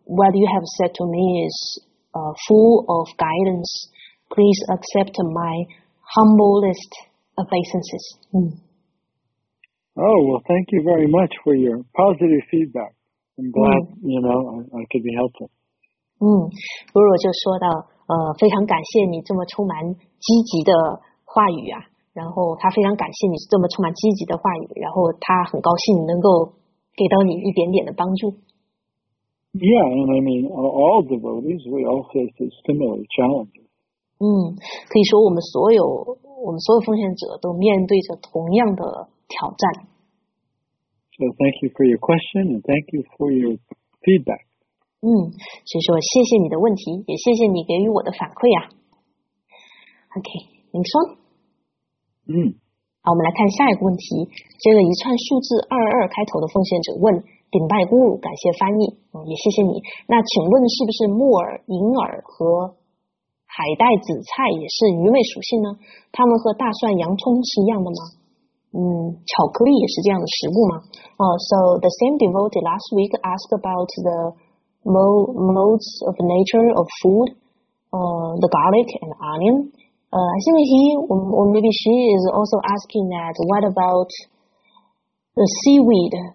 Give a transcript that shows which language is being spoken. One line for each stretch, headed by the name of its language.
English: What you have said to me isfull of guidance. Please accept my humblest obeisances. Oh, well, thank you very much for your positive feedback. I'm glad, you know, I could be helpful.
Chinese: 如果就说到非常感谢你这么充满积极的话语啊，然后他非常感谢你这么充满积极的话语，然后他很高兴能够给到你一点点的帮助。
English: Yeah, and I mean, all devotees, we all face similar challenges.
Chinese: 可以说我们所有奉献者都面对着同样的挑战。
English: So thank you for your question, and thank you for your feedback.
Chinese: 所以说谢谢你的问题，也谢谢你给予我的反馈啊。
English: Okay, next one.
Chinese: 好，我们来看下一个问题，这个一串数字22开头的奉献者问，顶拜咕噜，感谢翻译，也谢谢你。那请问是不是木耳、银耳和海带、紫菜也是鱼类属性呢？它们和大蒜、洋葱是一样的吗？巧克力也是这样的食物吗？
English: So the same devotee last week asked about the modes of nature of food, the garlic and onion. I think he or maybe she is also asking that what about the seaweed?